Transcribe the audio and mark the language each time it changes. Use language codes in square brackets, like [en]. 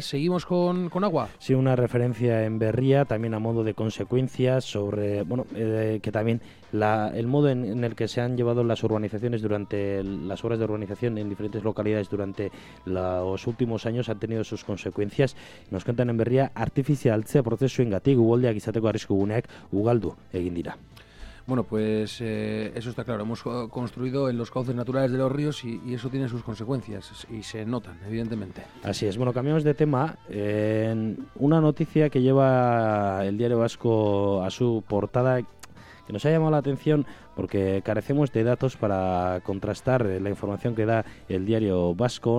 [es] ¿Seguimos con agua? Sí, una referencia en Berria, también a modo de consecuencias sobre, bueno, que también el modo en el que se han llevado las urbanizaciones durante las obras de urbanización en diferentes localidades durante los últimos años han tenido sus consecuencias. Nos cuentan en Berria: [eu] "Artifizialtzea prozesu ingatik uholdeak izateko arrisku guneak ugaldu egin dira". [es] Bueno, pues eso está claro. Hemos construido en los cauces naturales de los ríos y eso tiene sus consecuencias y se notan, evidentemente. Así es. Bueno, cambiamos de tema. En una noticia que lleva el Diario Vasco a su portada, que nos ha llamado la atención porque carecemos de datos para contrastar la información que da el Diario Vasco.